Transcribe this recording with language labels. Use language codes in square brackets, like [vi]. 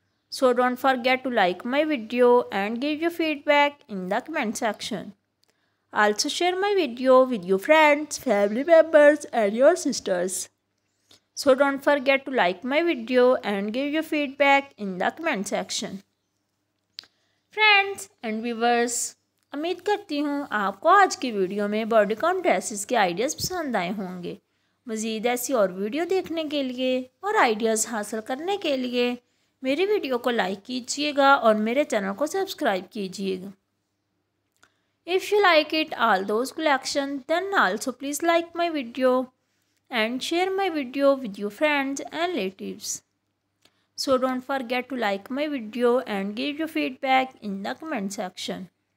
[en] So don't forget to like my video and give your feedback in the comment section. Also share my video with your friends, family members and your sisters. So don't forget to like my video and give your feedback in the comment section. Friends and viewers, [ur] امید کرتی ہوں آپ کو آج کی video میں بوڈیکون dresses کے ideas پسند آئے ہوں گے. مزید ایسی اور ویڈیو دیکھنے کے لیے اور آئیڈیاز حاصل کرنے کے لیے میری ویڈیو کو لائک کیجئے گا اور میرے چینل کو سبسکرائب کیجئے گا. [en] If you like it all those collection, then also please like my video and share my video with your friends and relatives. So don't forget to like my video and give your feedback in the comment section.